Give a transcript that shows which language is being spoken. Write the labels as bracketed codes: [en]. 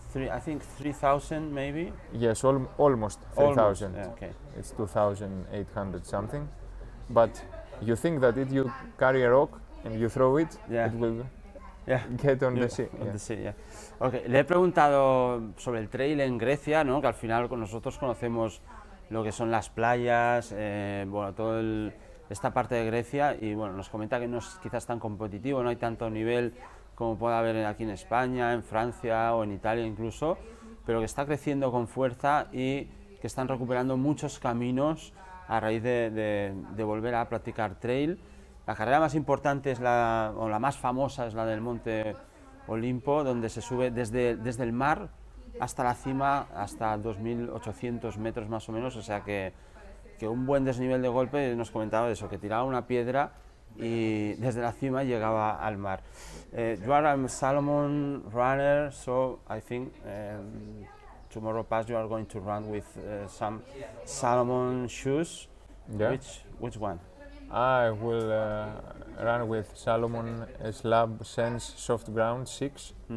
[en] I think 3,000 maybe? Yes, almost 3,000. It's 2,800 something. But you think that if you carry a rock and you throw it, it will get on the sea. On the sea, Okay, [es] le he preguntado sobre el trail en Grecia, ¿no? Que al final nosotros conocemos lo que son las playas, bueno, todo esta parte de Grecia, y bueno, nos comenta que no es quizás tan competitivo, no hay tanto nivel como puede haber aquí en España, en Francia o en Italia incluso, pero que está creciendo con fuerza y que están recuperando muchos caminos a raíz de volver a practicar trail. La carrera más importante es la más famosa es la del Monte Olimpo, donde se sube desde el mar hasta la cima, hasta 2.800 metros más o menos, o sea que un buen desnivel de golpe, nos comentaba eso, que tiraba una piedra y desde la cima llegaba al mar. [en] You are a Salomon runner, so I think tomorrow past you are going to run with some Salomon shoes. Yeah. Which one? I will run with Salomon Slab Sense Soft Ground 6.